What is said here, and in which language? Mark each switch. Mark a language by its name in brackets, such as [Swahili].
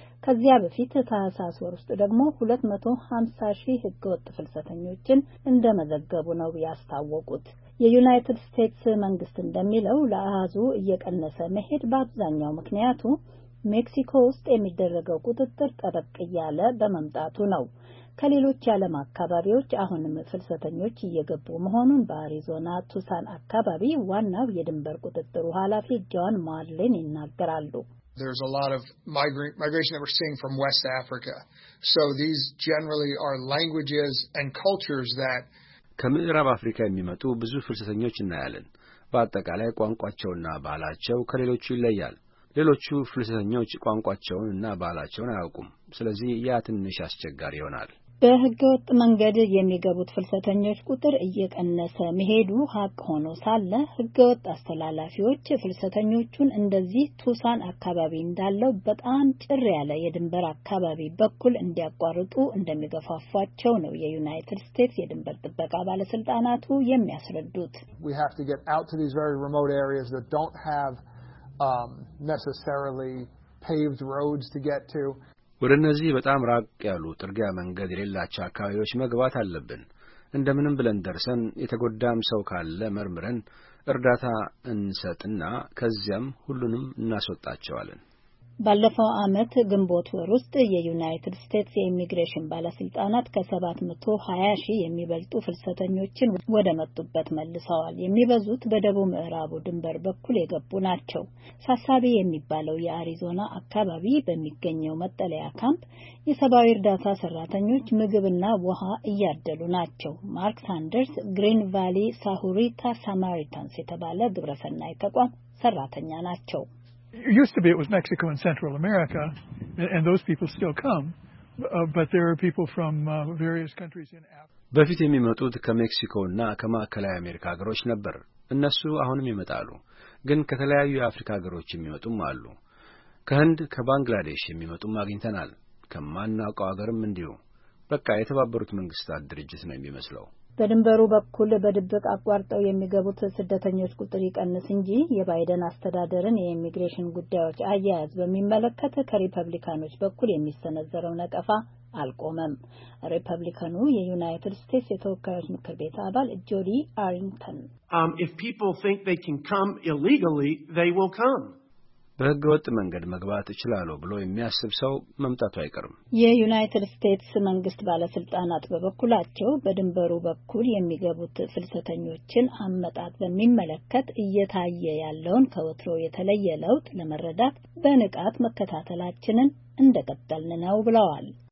[Amharic] ከዚያ በፊት ታህሳስ ወር ውስጥ ደግሞ 250,000 ህገወጥ ፍልሰተኞችን እንደመዘገቡ ነው ያስታወቁት። የዩናይትድ ስቴትስ መንግስት እንደሚለው ለአሃዙ እየቀነሰ መሄድ በአብዛኛው ምክንያቱ ሜክሲኮ ውስጥ የሚደረገው ቁጥጥር ጠበቅ እያለ በመምጣቱ ነው። ከሌሎች ዓለም አካባቢዎች አሁንም ፍልሰተኞች እየገቡ መሆኑን በአሪዞና ቱሳን አካባቢ ዋናው የድንበር ቁጥጥሩ ኃላፊ ጆን ማርሊን ይናገራሉ። [English] There's a lot of migration that we're seeing from West Africa. So these generally are languages and cultures that [Amharic] ከምዕራብ አፍሪካ የሚመጡ ብዙ ፍልሰተኞች እናያለን። በአጠቃላይ ቋንቋቸውና ባህላቸው ከሌሎቹ ይለያል። ሌሎቹ ፍልሰተኞች ቋንቋቸውና ባህላቸውን አያውቁም። ስለዚህ ያ ትንሽ አስቸጋሪ ይሆናል። በህገወጥ መንገድ የሚገቡት ፍልሰተኞች ቁጥር እየቀነሰ መሄዱ ሀቅ ሆኖ ሳለ ህገወጥ አስተላላፊዎች ፍልሰተኞቹን እንደዚህ ቱሳን አካባቢ እንዳለው በጣም ጭር ያለ የድንበር አካባቢ በኩል እንዲያቋርጡ እንደሚገፋፋቸው ነው የዩናይትድ ስቴትስ የድንበር ጥበቃ ባለስልጣናቱ የሚያስረዱት። [English] We have to get out to these very remote areas that don't have necessarily paved roads to get to. [Amharic] ወረነዚህ በጣም ራቅ ያሉ ትርጊያ መንገድ የሌላቸው አካባቢዎች መግባት አለብን። እንደምንም ብለን ደርሰን የተጎዳም ሰው ካለ መርምረን እርዳታ እንሰጥና ከዚያም ሁሉንም እናስወጣቸዋለን። ባለፈው አመት ግንቦት ወር ውስጥ የዩናይትድ ስቴትስ የኢሚግሬሽን ባለስልጣናት ከ720,000 የሚበልጡ ፍልሰተኞችን ወደ መጡበት መልሰዋል። የሚበዙት በደቡብ ምዕራብ ድንበር በኩል የገቡ ናቸው። ሳሳቢ የሚባለው የአሪዞና አካባቢ በሚገኘው መጠለያ ካምፕ የሰብአዊ እርዳታ ሰራተኞች ምግብና ውሃ እያደሉ ናቸው። ማርክ ሳንደርስ ግሪን ቫሊ ሳሁሪታ ሳማሪታንስ የተባለ ግብረሰናይ ተቋም ሰራተኛ ናቸው። [English] It used to be it was Mexico and Central America and those people still come but there are people from various countries in Africa. [Amharic] በፊት የሚመጡት ከሜክሲኮ እና ከማዕከላዊ አሜሪካ ሀገሮች ነበር። እነሱ አሁንም ይመጣሉ። ግን ከተለያዩ የአፍሪካ ሀገሮች የሚመጡም አሉ። ከህንድ፣ ከባንግላዴሽ የሚመጡም አግኝተናል። ከማናውቀው ሀገርም እንዲሁ። በቃ የተባበሩት መንግስታት ድርጅት ነው የሚመስለው። በድንበሩ በኩል በድብቅ አቋርጠው የሚገቡት ስደተኞች ቁጥር ይቀንስ እንጂ የባይደን አስተዳደርን የኢሚግሬሽን ጉዳዮች አያያዝ በሚመለከት ከሪፐብሊካኖች በኩል የሚሰነዘረው ነቀፋ አልቆመም። ሪፐብሊካኑ የዩናይትድ ስቴትስ የተወካዮች ምክር ቤት አባል ጆዲ አሪንግተን [English] If people think they can come illegally, they will come. [Amharic] በህገወጥ መንገድ መግባት ይችላል ብሎ የሚያስብ ሰው መምጣቱ አይቀርም። የዩናይትድ ስቴትስ መንግስት ባለስልጣናት በበኩላቸው በድንበሩ በኩል የሚገቡት ፍልሰተኞችን አመጣጥ በሚመለከት እየታየ ያለውን ከወትሮ የተለየ ለውጥ ለመረዳት በንቃት መከታተላችንን እንደቀጠልን ነው ብለዋል።